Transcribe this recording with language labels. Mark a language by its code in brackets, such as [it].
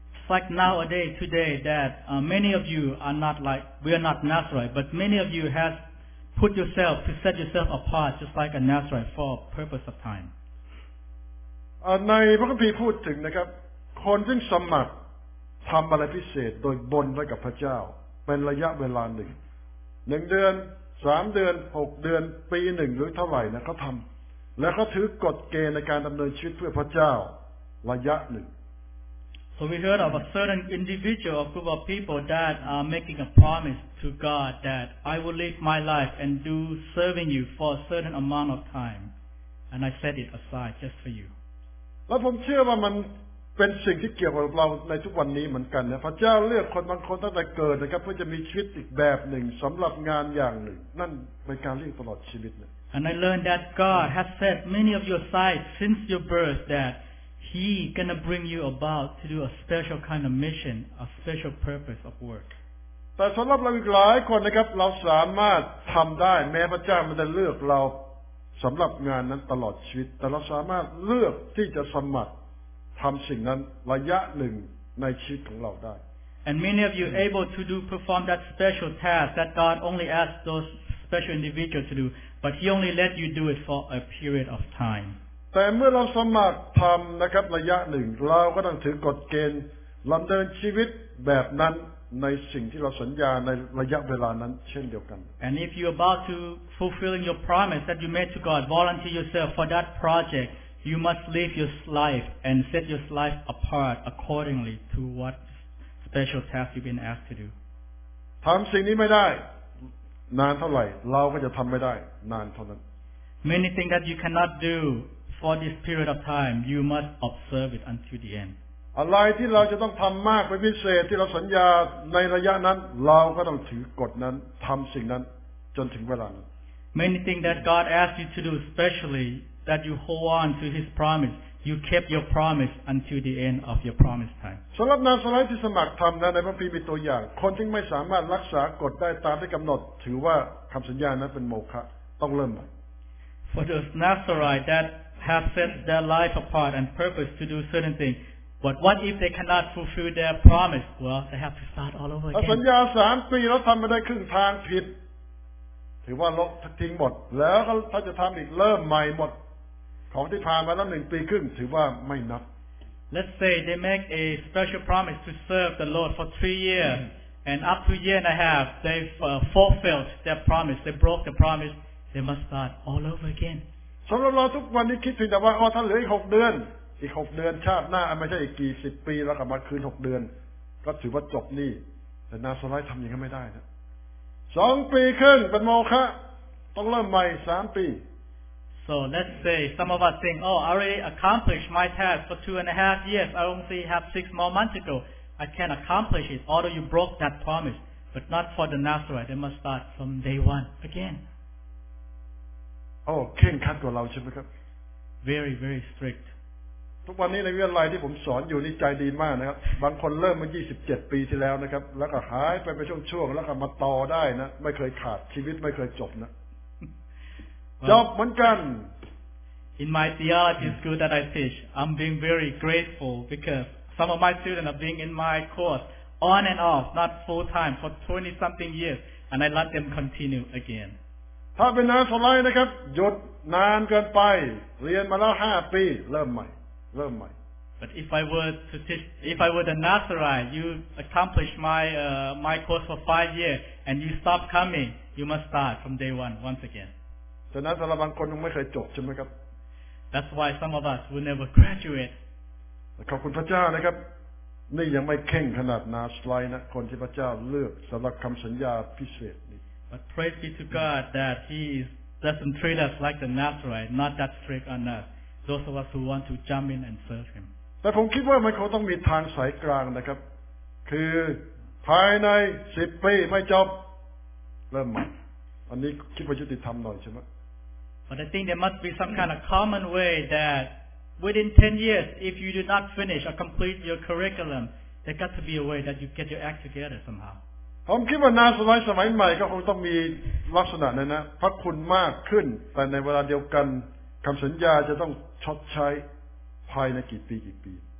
[en] like nowadays today that many of you are not like we are not Nazarite, but many of you has put yourself to set yourself apart just like a Nazarite for a purpose of time. [th] ในพระคัมภีร์พูดถึงนะครับคนซึ่งสมัครทำอะไรพิเศษโดยบนไว้กับพระเจ้าเป็นระยะเวลาหนึ่งหนึ่งเดือนสามเดือนหกเดือนปีหนึ่งหรือเท่าไหร่นะเขาทำและเขาถือกฎเกณฑ์ในการดำเนินชีวิตเพื่อพระเจ้าระยะหนึ่ง [en] So we heard of a certain individual or group of people that are making a promise to God that I will live my life and do serving you for a certain amount of time and I set it aside just for you [th] แล้วผมเชื่อว่ามันเป็นสิ่งที่เกี่ยวกับเราในทุกวันนี้เหมือนกันนะพระเจ้าเลือกคนบางคนตั้งแต่เกิดนะครับเพื่อจะมีชีวิตอีกแบบหนึ่งสำหรับงานอย่างหนึ่งนั่นเป็นการเลือกตลอดชีวิตนะ [en] And I learned that God has set many of your sights since your birth that He gonna bring you about to do a special kind of mission a special purpose of work [th] แต่สำหรับเราอีกหลายคนนะครับเราสามารถทำได้แม้พระเจ้ามันจะเลือกเราสำหรับงานนั้นตลอดชีวิตแต่เราสามารถเลือกที่จะสมัครทำสิ่งนั้นระยะหนึ่งในชีวิตของเราได้ [en] And many of you able to do perform that special task that God only asks those special individuals to do but He only let you do it for a period of time [th] แต่เมื่อเราสมัครทำนะครับระยะหนึ่งเราก็ต้องถือกฎเกณฑ์ดำเนินชีวิตแบบนั้นในสิ่งที่เราสัญญาในระยะเวลานั้นเช่นเดียวกัน [en] And if you're about to fulfilling your promise that you made to God volunteer yourself for that project you must live your life and set your life apart accordingly to what special task you've been asked to do [th] ทำสิ่งนี้ไม่ได้นานเท่าไหร่เราก็จะทำไม่ได้นานเท่านั้น [en] Many things that you cannot do for this period of time you must observe it until the end [th] อะไรที่เราจะต้องทำมากเป็นพิเศษที่เราสัญญาในระยะนั้นเราก็ต้องถือกฎนั้นทำสิ่งนั้นจนถึงเวลานั้น [en] Many things that God asked you to do especially that you hold on to His promise you kept your promise until the end of your promise time [th] สำหรับนาสไลที่สมัครทำนั้นในพระคัมภีร์มีตัวอย่างคนที่ไม่สามารถรักษากฎได้ตามที่กำหนดถือว่าคำสัญญานั้นเป็นโมฆะต้องเริ่มใหม่ [en] For those Nazarite that have set their life apart and purpose to do certain thingsBut what if they cannot fulfill their promise? Well, they have to start all over again. [th] สัญญา 3 ปีแล้วทำไม่ได้ครึ่งทางผิดถือว่าลบทิ้งหมดแล้วก็ถ้าจะทำอีกเริ่มใหม่หมดของที่ผ่านมาแล้ว 1 ปีครึ่งถือว่าไม่นับ [en] Let's say they make a special promise to serve the Lord for 3 years and up to year and a half they fulfilled their promise they broke the promise they must start all over again. [th] สำหรับเราทุกวันนี้คิดถึงแต่ว่าถ้าเหลืออีก 6 เดือนอีก6เดือนชาติหน้าไม่ใช่อีกกี่10ปีแล้วกลับมาคืน6เดือนก็ถือว่าจบนี่แต่นาซาไรทำอย่างนั้นไม่ได้นะ2ปีครึ่งเป็นโมฆะต้องเริ่มใหม่3ปี [en] So let's say some of us think oh I already accomplished my task for 2.5 years I only have 6 more months to go I can accomplish it although you broke that promise but not for the Nazarite they must start from day 1 again [th] Oh เคร่งครัดกว่าเราใช่ไหมครับ [en] very strict [th] ทุกวันนี้ในวิทยาลัยที่ผมสอนอยู่นี่ใจดีมากนะครับบางคนเริ่มมา27ปีที่แล้วนะครับแล้วก็หายไปเป็นช่วงๆแล้วก็มาต่อได้นะไม่เคยขาดชีวิตไม่เคยจบนะ [en] well, [th] จบเหมือนกัน [en] In my theology school that I teach I'm being very grateful because some of my students are being in my course on and off not full time for 20 something years and I let them continue again [th] ถ้าเป็นนักสอนไลน์นะครับหยุดนานเกินไปเรียนมาแล้ว5ปีเริ่มใหม่ [en] But if I were to teach, if I were the Nazarite, you accomplish my course for 5 years and you stop coming, you must start from day one once again. [th] ฉะนั้นสำหรับบางคนยังไม่เคยจบใช่ไหมครับ [en] That's why some of us will never graduate. [th] ขอบคุณพระเจ้านะครับนี่ยังไม่เข่งขนาดนาสไลนะคนที่พระเจ้าเลือกสำหรับคำสัญญาพิเศษนี้ [en] But praise be to God that He doesn't treat us like the Nazarite, not that strict on us. Those of us who want to jump in and serve him. [th] แต่ผมคิดว่ามันคงต้องมีทางสายกลางนะครับคือภายใน10ปีไม่จบเริ่มใหม่อันนี้คิดว่ายุติธรรมหน่อยใช่ไหม [en] But I think there must be some kind of common way that within 10 years if you do not finish or complete your curriculum there got to be a way that you get your act together somehow. [th] ผมคิดว่านาสไลสมัยใหม่ก็คงต้องมีลักษณะนั้นนะพระคุณมากขึ้นแต่ในเวลาเดียวกันคำสัญญาจะต้องชดใช้ภายในกี่ปีกี่ปี